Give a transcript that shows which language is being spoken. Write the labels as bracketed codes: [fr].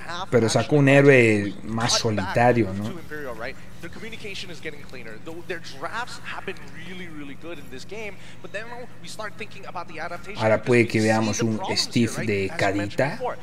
[es] Pero sacó un héroe más solitario, ¿no? [en] Their communication is getting cleaner. Their drafts have been really, really good in this game. But then we start thinking about the adaptation. [es] Ahora puede que veamos un Steve de carita.